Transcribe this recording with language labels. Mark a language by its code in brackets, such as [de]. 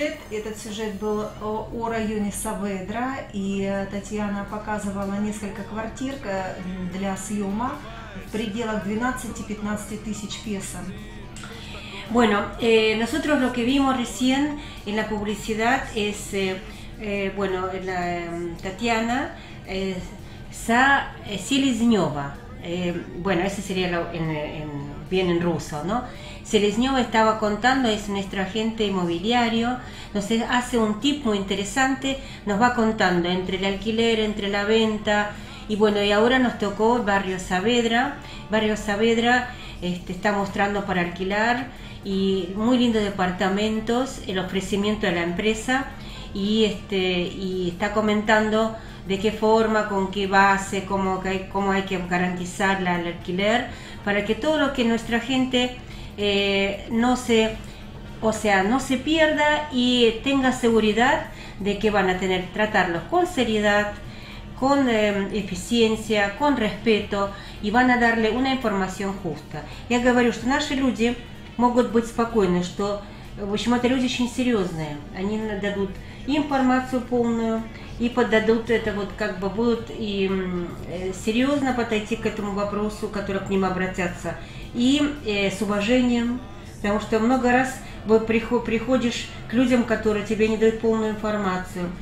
[ru] Этот сюжет был о районе Саведра, и Татьяна показывала несколько квартир для съема в пределах 12-15 тысяч песо. [es] Bueno, nosotros lo que vimos recién en la publicidad es, bueno, la, Татьяна Селезнева, bueno, ese sería lo, bien en ruso, ¿no? Селезнева estaba contando, es nuestro agente inmobiliario, nos hace un tip muy interesante, nos va contando entre el alquiler, entre la venta, y bueno, y ahora nos tocó Barrio Saavedra. Barrio Saavedra está mostrando para alquilar, y muy lindos departamentos, el ofrecimiento de la empresa, y está comentando de qué forma, con qué base, cómo hay que garantizar el alquiler, para que todo lo que nuestra gente... no se pierda y tenga seguridad de que van a tener tratarlos con seriedad, con eficiencia, con respeto y van a darle una información justa. [ru] Я говорю, что наши люди могут быть спокойны, что в общем это люди очень серьезные, они дадут информацию полную и подадут это вот как бы будут и серьезно подойти к этому вопросу, который к ним обратятся. И с уважением, потому что много раз приходишь к людям, которые тебе не дают полную информацию.